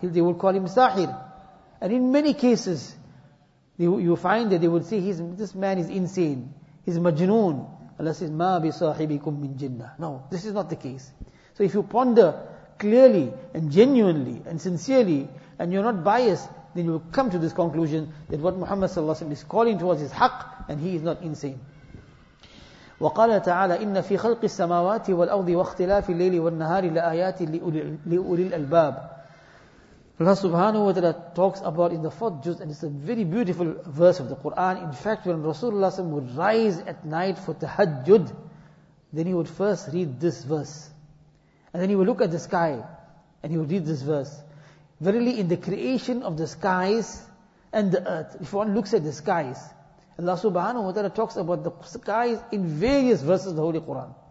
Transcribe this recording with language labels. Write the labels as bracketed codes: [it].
[en] They will call him sahir. And in many cases, you find that they would say, this man is insane, he's majnoon. Allah says, [ar] ma bi sahibikum min jinnah. [en] No, this is not the case. So if you ponder clearly and genuinely and sincerely, and you're not biased, then you will come to this conclusion that what Muhammad sallallahu alayhi wa sallam is calling towards is haqq, and he is not insane. [ar] وقال تعالى إن في خلق السماوات والأرض واختلاف الليل والنهار لآيات لأولي الألباب. [en] Allah subhanahu wa ta'ala talks about in the fourth juz, and it's a very beautiful verse of the Quran. In fact, when Rasulullah would rise at night for tahajjud, then he would first read this verse. And then he would look at the sky and he would read this verse. Verily in the creation of the skies and the earth, if one looks at the skies, Allah subhanahu wa ta'ala talks about the skies in various verses of the Holy Quran.